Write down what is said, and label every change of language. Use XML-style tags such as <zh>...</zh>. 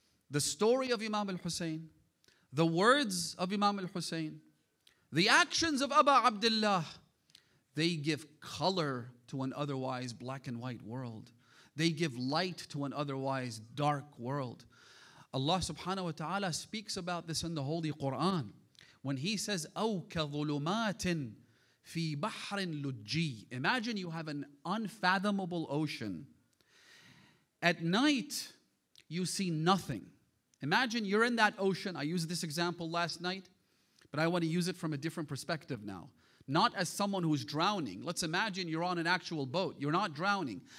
<en>The story of Imam al-Hussein, the words of Imam al-Hussein, the actions of Aba Abdullah, they give color to an otherwise black and white world. They give light to an otherwise dark world. Allah subhanahu wa ta'ala speaks about this in the Holy Quran. When he says,</en> <ar>أَوْ كَظُلُمَاتٍ فِي بَحْرٍ لُجِّي.</ar> <en>Imagine you have an unfathomable ocean. At night, you see nothing. Imagine you're in that ocean. I used this example last night, but I want to use it from a different perspective now. Not as someone who's drowning. Let's imagine you're on an actual boat. You're not drowning.</en>